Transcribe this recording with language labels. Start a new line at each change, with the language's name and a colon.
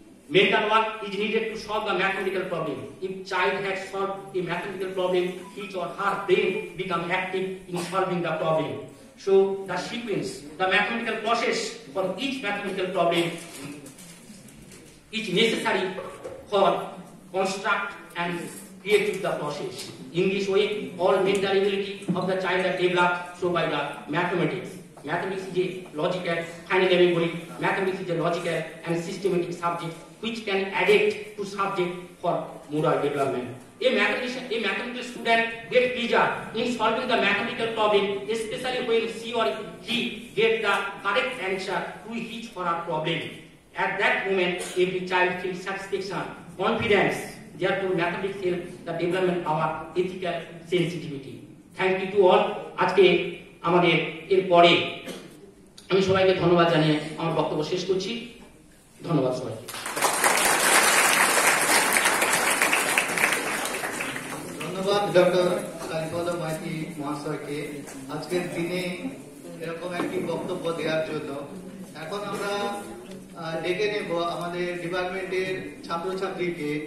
English: Mental work is needed to solve the mathematical problem if child has solve a mathematical problem his or her brain become active in solving the problem so the sequence the mathematical process for each mathematical problem It's necessary for construct and create the process. English way, all mental ability of the child are developed through by the mathematics. Mathematics is a logical, finally everybody, mathematics is a logical and systematic subject which can adapt to subject for moral development. A mathematician, a mathematical student get pleasure in solving the mathematical problem, especially when she or he get the correct answer to his or her problem. At that moment, every child feels satisfaction, confidence, therefore mathematics help the development of our ethical sensitivity. Thank you to all.
Bangla: আজকে আমাদের এর পরে আমি সবাইকে ধন্যবাদ জানিয়ে আমার বক্তব্য শেষ করছি ধন্যবাদ সবাইকে ধন্যবাদ ডক্টর কালীপদ মাইতি মহাশয়কে আজকের দিনে এরকম একটি বক্তব্য দেওয়ার জন্য এখন আমরা ডেকে নেব আমাদের ডিপার্টমেন্টের ছাত্রছাত্রীকে